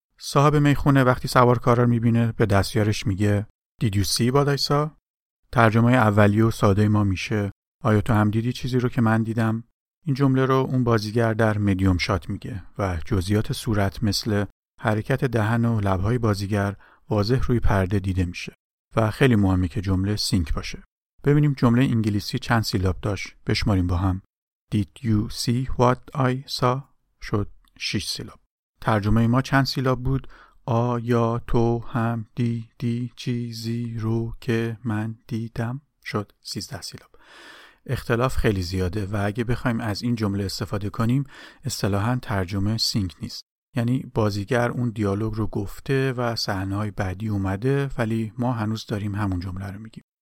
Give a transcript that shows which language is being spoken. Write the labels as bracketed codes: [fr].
[fa] صاحب میخونه وقتی سوارکارا رو میبینه به دستیارش میگه [en] Did you see what I saw؟ [fa] ترجمه اولیه و ساده ما میشه آیا تو هم دیدی چیزی رو که من دیدم؟ این جمله رو اون بازیگر در میدیوم شات میگه و جزئیات صورت مثل حرکت دهن و لبهای بازیگر واضح روی پرده دیده میشه و خیلی مهمه که جمله سینک باشه. ببینیم جمله انگلیسی چند سیلاب داشت. بشماریم با هم. [en] Did you see what I saw؟ [fa] شد 6 سیلاب. ترجمه ما چند سیلاب بود؟ آیا تو هم دیدی چیزی رو که من دیدم؟ شد 13 سیلاب. اختلاف خیلی زیاده و اگه بخوایم از این جمله استفاده کنیم اصطلاحاً ترجمه سینک نیست. یعنی بازیگر اون دیالوگ رو گفته و صحنه‌های بعدی اومده ولی ما هنوز داریم همون جمله رو میگیم.